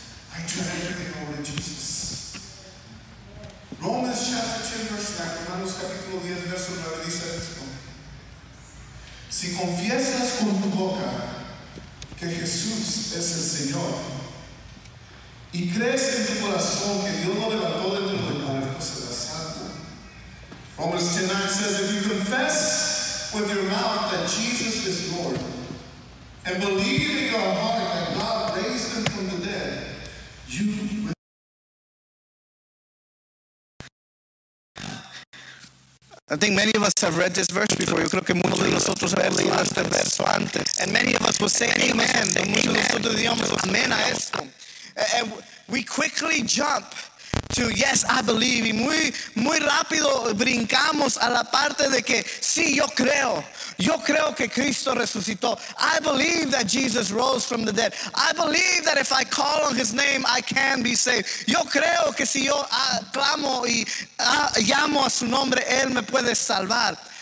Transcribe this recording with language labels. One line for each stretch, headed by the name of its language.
English: I turn everything over to Jesus. Romans chapter 10, verse 9.
Spanish: Romanos capítulo 10, verso 9 dice esto. Si confiesas con tu boca que Jesús es el Señor y crees en tu corazón que Dios lo levantó de tu muerto, serás salvo.
English: Romans 10, 9 says, if you confess with your mouth that Jesus is Lord and believe in your heart that God raised him from the dead, you will. I think many of us have read this verse before.
Spanish: Yo creo que muchos de nosotros hemos leído este verso antes.
English: And many of us will say amen.
Spanish: Amen a esto.
English: And we quickly jump to yes, I believe.
Spanish: Y muy rápido brincamos a la parte de que sí, yo creo. Yo creo que Cristo resucitó.
English: I believe that Jesus rose from the dead. I believe that if I call on his name, I can be saved.
Spanish: Yo creo que si yo clamo y llamo a su nombre, él me puede salvar.